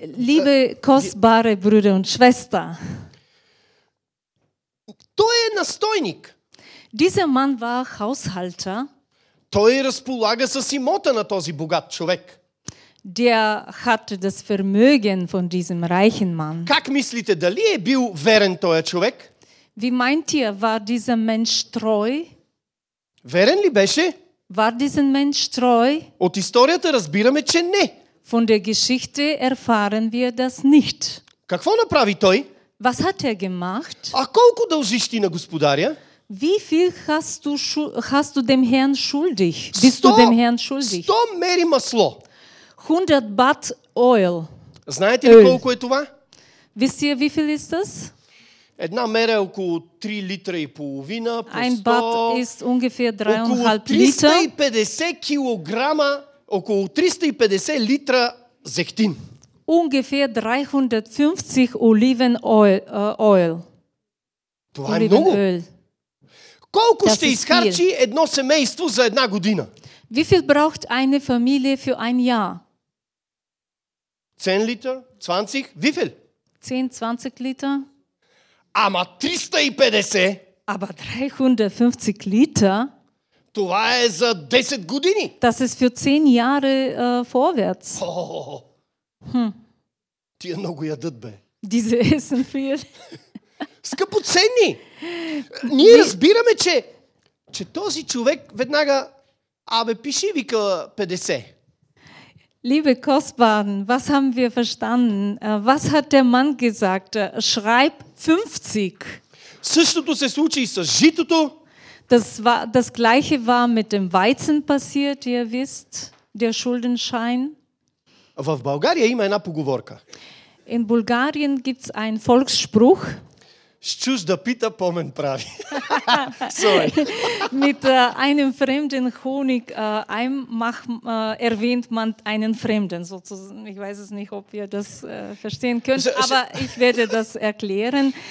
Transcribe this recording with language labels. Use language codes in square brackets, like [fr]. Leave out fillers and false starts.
[de] Liebe kostbare Brüder und Schwester. [bg] Той е настойник. [de] Dieser Mann war Haushalter. [bg] Той разполага с имота на този богат човек. [de] der hatte das Vermögen von diesem reichen Mann. [bg] Как мислите, дали е бил верен този човек? [de] Wie meint ihr, war dieser Mensch treu? [bg] Верен ли беше? [de] War dieser Mensch treu? [bg] От историята разбираме, че не. [de] Von der Geschichte erfahren wir das nicht. [bg] Какво направи той? [de] Was hat er gemacht? [bg] А колко дължиш ти на господаря? [de] Wie viel hast du dem Herrn schuldig? Bist 100, du dem Herrn schuldig? [bg] 100 мери масло. [en] 100 bat oil. [bg] Знаете ли колко е това? [de] Wisst ihr, wie viel ist das? [bg] Една мера е около 3 литра и половина. [de] Ein bat ist ungefähr 3,5 liter. [bg] Около 350 килограма, около 350 литра зехтин. [de] Ungefähr 350 oliven oil. [bg] Това е много. Колко ще изхарчи едно семейство за една година? [de] Wie viel braucht eine Familie für ein Jahr? [bg] 10 литър? [de] 20? Wie viel? [bg] 10-20 литър. Ама 350? [de] Aber 350 литър? [bg] Това е за 10 години. [de] Das ist für 10 Jahre vorwärts. [bg] Тия много ядат, бе. [de] Diese essen viel. [bg] Скъпоценни! Ние разбираме, че този човек веднага, абе, пиши, вика 50. [de] Liebe Kostbaren, was haben wir verstanden? Was hat der Mann gesagt? Schreib 50. [bg] Същото се случи и с житото. [de] Das gleiche war mit dem Weizen passiert, ihr wisst, der Schuldenschein. [bg] В България има една поговорка. [de] In Bulgarien gibt's ein Volksspruch. [bg] Счуш да пита, помен прави. Sorry. [de] Mit einem fremden Honig erwähnt man einen fremden. Sozusagen. Ich weiß es nicht, ob ihr das verstehen könnt, aber ich werde das erklären.